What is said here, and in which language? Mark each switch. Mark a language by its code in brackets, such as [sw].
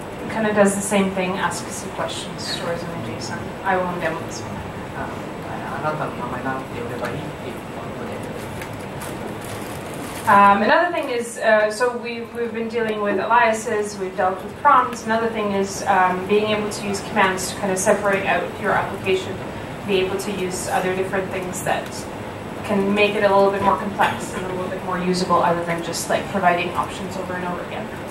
[en] It kind of does the same thing, asks you questions, stores in a JSON. I won't demo this one. [ja] あなたの名前なんて呼べばいいっていうことで。 [en] Another thing is, so we've been dealing with aliases, we've dealt with prompts. Another thing is being able to use commands to kind of separate out your application, be able to use other different things that can make it a little bit more complex and a little bit more usable, other than just like providing options over and over again.